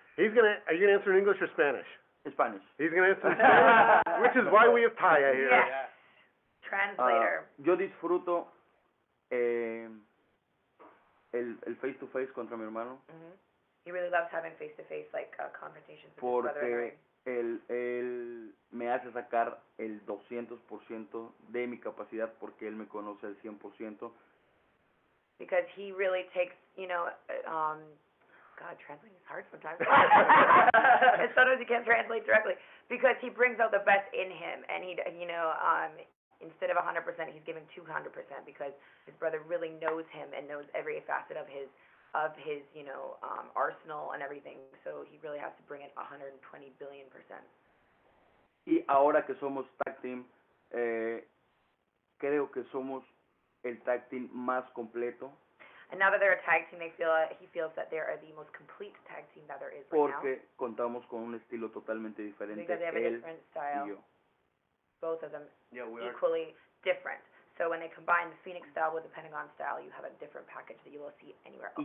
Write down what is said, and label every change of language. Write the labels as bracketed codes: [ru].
[en] Are you going to answer in English or Spanish? Spanish. He's going to answer Spanish, which is why we have Taya here. Yes. Translator. [es] Yo disfruto el face-to-face contra mi hermano. [en] Mm-hmm. He really loves having face-to-face, like, confrontations with [es] porque [en] his brother and I. [es] Porque él me hace sacar el 200% de mi capacidad porque él me conoce el 100%. [en] Because he really takes, you know... God, translating is hard sometimes. And sometimes he can't translate directly because he brings out the best in him, and he, you know, instead of 100%, he's giving 200% because his brother really knows him and knows every facet of his, you know, arsenal and everything. So he really has to bring it 120 billion percent. [es] Y ahora que somos tag team, creo que somos el tag team más completo. [en] And now that they're a tag team, they feel he feels that they are the most complete tag team that there is right [es] Porque [en] now. [es] Porque contamos con un estilo totalmente diferente. [en] Because they have a different style. Both of them equally different. So when they combine the Phoenix style with the Pentagon style, you have a different package that you will see anywhere else.